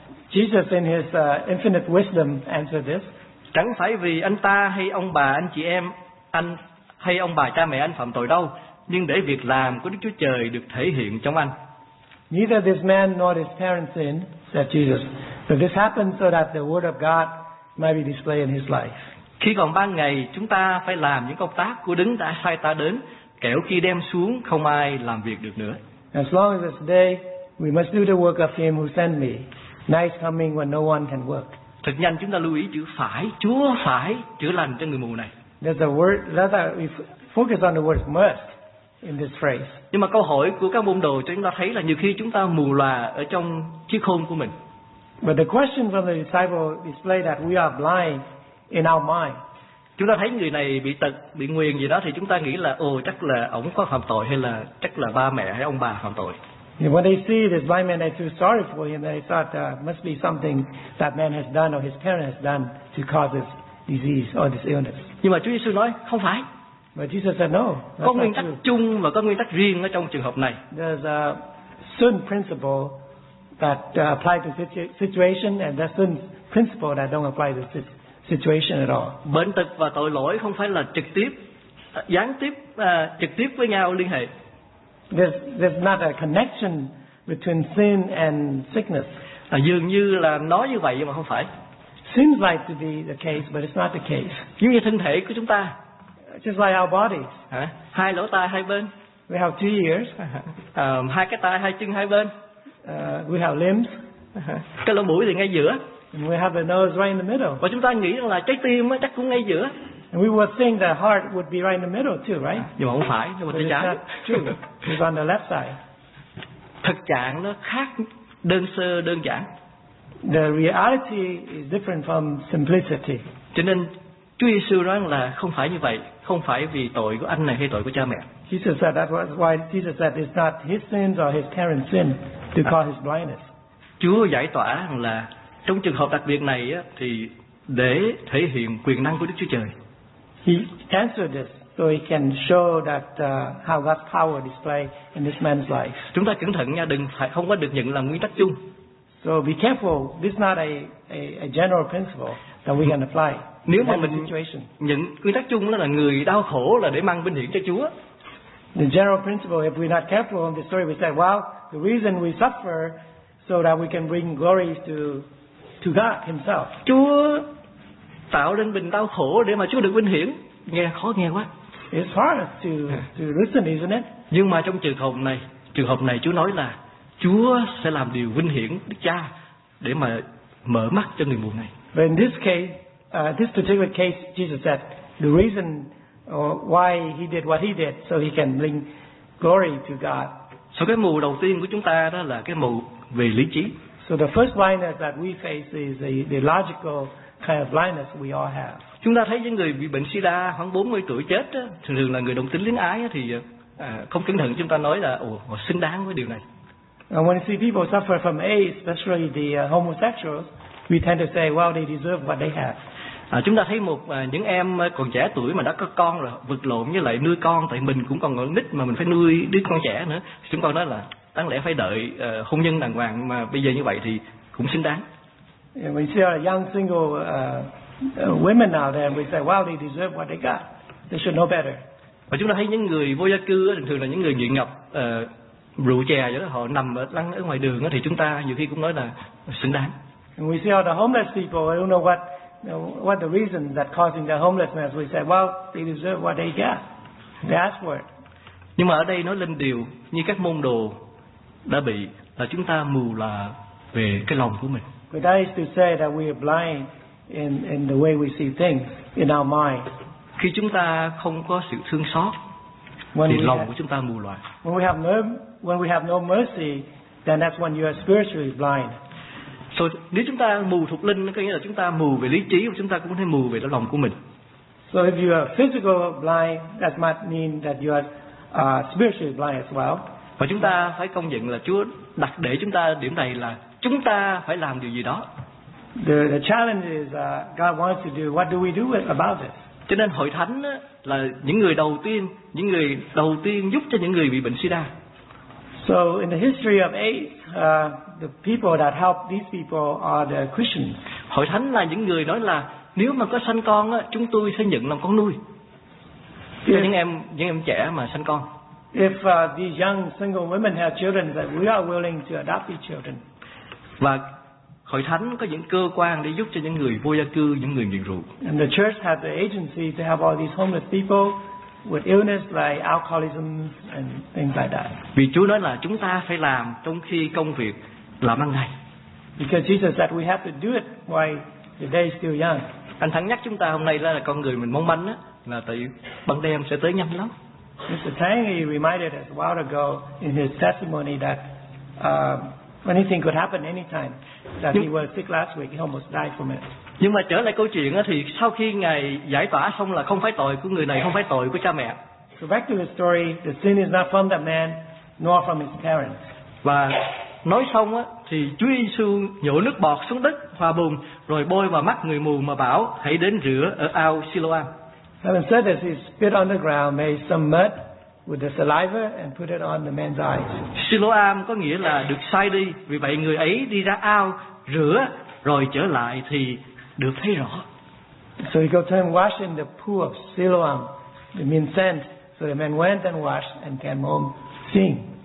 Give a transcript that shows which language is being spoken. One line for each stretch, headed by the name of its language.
English: Jesus in his infinite wisdom answered this.
Vietnamese: Chẳng phải vì anh ta hay ông bà anh chị em anh hay ông bà cha mẹ anh phạm tội đâu, nhưng để việc làm của Đức Chúa Trời được thể hiện trong anh.
English: Neither this man nor his parents sin, said Jesus, but this happened so that the word of God might be displayed in his life.
Vietnamese: Khi còn ban ngày, chúng ta phải làm những công tác của Đấng đã sai ta đến, kẻo khi đem xuống không ai làm việc được nữa.
English: As long as it's day, we must do the work of him who sent me. Night coming when no one can work.
Vietnamese: Thật nhanh chúng ta lưu ý chữ phải, Chúa phải chữa lành cho người mù này.
English: There's a word, let us focus on the word must in this phrase.
Vietnamese: Nhưng mà câu hỏi của các môn đồ cho chúng ta thấy là nhiều khi chúng ta mù lòa ở trong chiếc khôn của mình.
English: But the question from the disciple display that we are blind in our mind.
Vietnamese: Chúng ta thấy người này bị tật, bị nguyền gì đó thì chúng ta nghĩ là ồ chắc là ổng có phạm tội, hay là chắc là ba mẹ hay ông bà phạm tội.
English: When they see this blind man, they feel sorry for him. They thought must be something that man has done or his parents has done to cause this disease or this illness.
Vietnamese: Nhưng mà Chúa Giêsu nói không phải.
English: But Jesus said no.
Vietnamese: Có nguyên tắc chung và có nguyên tắc riêng ở trong trường hợp này.
English: There's a certain principle that apply to situation and there's certain principle that don't apply to situation at all.
Vietnamese: Bệnh tật và tội lỗi không phải là trực tiếp, gián tiếp, trực tiếp với nhau liên hệ.
English: There's not a connection between sin and sickness.
Vietnamese: Dường như là nói như vậy nhưng mà không phải.
English: Seems like to be the case, but it's not the case.
Vietnamese: Giống như thân thể của chúng ta.
English: Just like our bodies.
Vietnamese: Hai lỗ tai hai bên.
English: We have two ears.
Vietnamese: Hai cái tai hai chân hai bên.
English: We have limbs.
Vietnamese: Cái lỗ mũi thì ngay giữa.
English: And we have the nose right in the middle.
Vietnamese: Và chúng ta nghĩ rằng là trái tim chắc cũng ngay giữa.
English: And we would think the heart would be right in the middle too, right?
Vietnamese: Nhưng mà không phải, nhưng mà tôi chán.
English: True. It's on the left side.
Vietnamese: Thực trạng nó khác đơn sơ đơn giản.
English: The reality is different from simplicity.
Vietnamese: Cho nên Chúa Giêsu nói là không phải như vậy, không phải vì tội của anh này hay tội của cha mẹ.
English: Jesus said that was why Jesus said it's not his sins or his parents' sin to cause his blindness.
Vietnamese: Chúa giải tỏa rằng là trong trường hợp đặc biệt này á thì để thể hiện quyền năng của Đức Chúa Trời.
English: He answered this so he can show that how God's power displayed in this man's life.
Vietnamese: Chúng ta cẩn thận nha, đừng phải không có được nhận là nguyên tắc chung.
English: So be careful, this is not a general principle that we can apply.
Vietnamese: Nếu mà mình nhận quy tắc chung là người đau khổ là để mang vinh hiển cho Chúa.
English: The general principle, if we're not careful in this story, we say, well, the reason we suffer so that we can bring glory to God himself.
Vietnamese: Chúa tạo nên mình đau khổ để mà Chúa được vinh hiển. Nghe khó nghe quá.
English: It's hard to listen, isn't it?
Vietnamese: Nhưng mà trong trường hợp này Chúa nói là Chúa sẽ làm điều vinh hiển Đức Cha để mà mở mắt cho người mù này.
English: But in this case, this particular case, Jesus said the reason why he did what he did so he can bring glory to God.
Vietnamese: So cái mù đầu tiên của chúng ta đó là cái mù về lý trí.
English: So the first blindness that we face is the logical kind of blindness we all have.
Vietnamese: Chúng ta thấy những người bị bệnh sida khoảng 40 tuổi chết đó, thường là người đồng tính luyến ái đó, thì không cẩn thận chúng ta nói là họ xứng đáng với điều này.
English: And when you see people suffer from AIDS, especially the homosexuals, we tend to say, well, they deserve what they have.
Vietnamese: Chúng ta thấy một những em còn trẻ tuổi mà đã có con rồi, vật lộn với lại nuôi con, tại mình cũng còn ngỡ nít mà mình phải nuôi đứa con trẻ nữa. Chúng con nói là đáng lẽ phải đợi hôn nhân đàng hoàng, mà bây giờ như vậy thì cũng xứng đáng.
English: And when you see our young single women out there, we say, well, they deserve what they got. They should know better.
Vietnamese: Và chúng ta thấy những người vô gia cư thường là những người nghiện ngập rượu chè đó, họ nằm lăn ở ngoài đường thì chúng ta nhiều khi cũng nói là xứng đáng.
English: And we see all the homeless people. I don't know what the reason that causing the homelessness. We say, well, they deserve what they got. They ask for it.
Vietnamese: Nhưng mà ở đây nói lên điều như các môn đồ đã bị là chúng ta mù là về cái lòng của mình.
English: But that is to say that we are blind in the way we see things in our mind.
Vietnamese: Khi chúng ta không có sự thương xót thì lòng của chúng ta mù loà.
English: When we have no mercy, then that's when you are spiritually blind.
Vietnamese: So, nếu chúng ta mù thuộc linh có nghĩa là chúng ta mù về lý trí và chúng ta cũng có thể mù về lòng của mình.
English: So if you are physically blind, that might mean that you are spiritually blind as well.
Vietnamese: Và chúng ta phải công nhận là Chúa đặt để chúng ta điểm này là chúng ta phải làm điều gì đó.
English: The challenge is God wants to do. What do we do about it?
Vietnamese: Cho nên hội thánh là những người đầu tiên giúp cho những người bị bệnh sida.
English: So in the history of AIDS, the people that help these people are the Christians.
Vietnamese: Hội thánh là những người nói là nếu mà có sanh con á, chúng tôi sẽ nhận làm con nuôi. Cho những em trẻ mà sanh con.
English: If these young single women have children, that we are willing to adopt these children.
Vietnamese: Và hội thánh có những cơ quan để giúp cho những người vô gia cư, những người nghiện rượu.
English: And the church has the agency to help all these homeless people with illness like alcoholism and things like that.
Vietnamese: Vì Chúa nói là chúng ta phải làm trong khi công việc làm ăn ngày.
English: Because Jesus said we have to do it while the day is still young.
Vietnamese: Anh Thắng nhắc chúng ta hôm nay là con người mình mong manh á, là tại ban đêm sẽ tới nhanh lắm.
English: Mr. Tang, he reminded us a while ago in his testimony that anything could happen anytime. That he was sick last week, he almost died from it.
Vietnamese: Nhưng mà trở lại câu chuyện thì sau khi ngài giải tỏa xong là không phải tội của người này, không phải tội của cha mẹ.
English: So back to the story, the sin is not from the man, nor from his parents.
Vietnamese: Và nói xong thì Chúa Giêsu nhổ nước bọt xuống đất hòa bùn, rồi bôi vào mắt người mù mà bảo hãy đến rửa ở ao Siloam.
English: Having said this, he spit on the ground, made some mud with the saliva, and put it on the man's eyes.
Vietnamese: Siloam có nghĩa là được sai đi. Vì vậy người ấy đi ra ao rửa, rồi trở lại thì được thấy rõ.
English: So he goes home, washed in the pool of Siloam, the means sent. So the man went and washed and came home seeing.